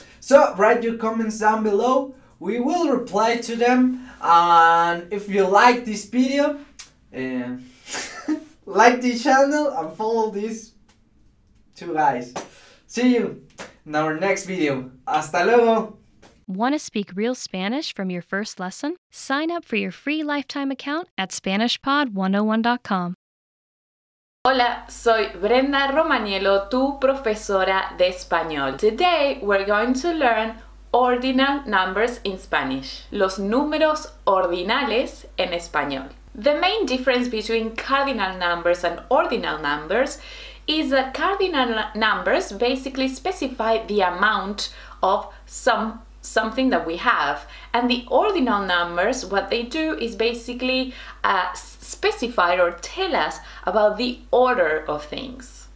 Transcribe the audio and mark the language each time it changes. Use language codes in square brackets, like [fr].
[en] So, write your comments down below. We will reply to them, and if you like this video, like this channel and follow these two guys. See you in our next video. [es] Hasta luego. [en] Want to speak real Spanish from your first lesson? Sign up for your free lifetime account at SpanishPod101.com. [es] Hola, soy Brenda Romaniello, tu profesora de español. [en] Today we're going to learn ordinal numbers in Spanish. [es] Los números ordinales en español. [en] The main difference between cardinal numbers and ordinal numbers is that cardinal numbers basically specify the amount of something that we have, and the ordinal numbers, what they do is basically specify or tell us about the order of things.